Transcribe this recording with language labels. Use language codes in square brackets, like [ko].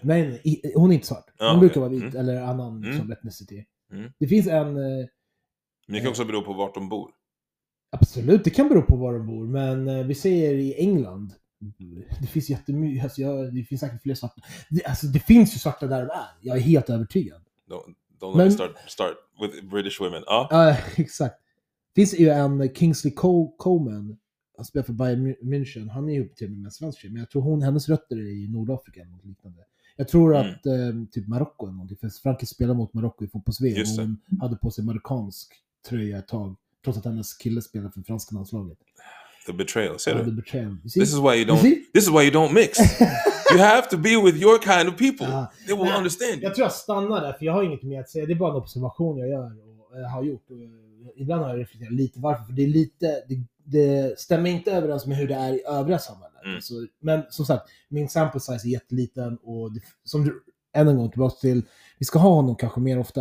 [sv] Nej, hon är inte svart. Hon brukar vara vit eller annan liksom, ethnicity. Mm. Det finns en... Men det kan också bero på vart de bor. Absolut, det kan bero på var de bor. Men vi ser i England. Det finns jättemycket, alltså, det finns säkert fler svarta. Det finns ju svarta där de är. Jag är helt övertygad. [en] Don't start with British women. [sv] Exakt. Det finns ju en Kingsley Coman. Han spelar för Bayern München. Han är ju till med en svensk tjej. Men jag tror hennes rötter är i Nordafrika. Liknande. Jag tror att typ Marocko eller någonting. För Frankrike spelar mot Marocko i fotbolls-VM. Och hon hade på sig marokkansk tröja ett tag. Trots att hennes kille spelar för franska landslaget. [en] The betrayal, [sv] ser du? [en] The betrayal. This is why you don't mix. You have to be with your kind of people. They will understand you. [sv] Jag tror jag stannar där, för jag har inget mer att säga. Det är bara en observation jag gör och har gjort. Ibland har jag reflekterat lite varför. För det är lite... Det stämmer inte överens med hur det är i övriga samhället. Mm. Så, men som sagt, min sample size är jätteliten. Och det, som du, än en gång tillbaka till, vi ska ha honom kanske mer ofta.